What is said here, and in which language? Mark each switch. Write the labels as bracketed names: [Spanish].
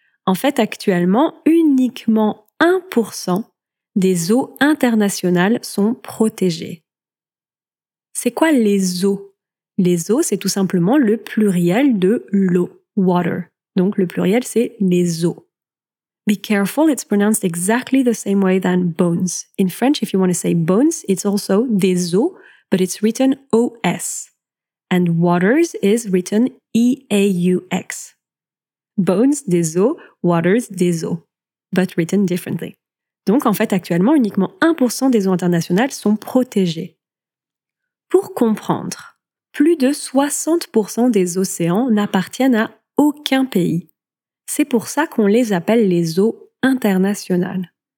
[French] En fait, actuellement, uniquement 1% des eaux internationales sont protégées. C'est quoi les eaux? Les eaux, c'est tout simplement le pluriel de l'eau, water. Donc le pluriel, c'est les eaux. [English] Be careful, it's pronounced exactly the same way than bones. In French, if you want to say bones, it's also des eaux, but it's written O-S. And waters is written E-A-U-X. Bones, des eaux, waters, des eaux, but written differently. [French] Donc en fait, actuellement, uniquement 1% des eaux internationales sont protégées. Pour comprendre, plus de 60% des océans n'appartiennent à aucun pays. C'est pour ça qu'on les appelle les eaux internationales.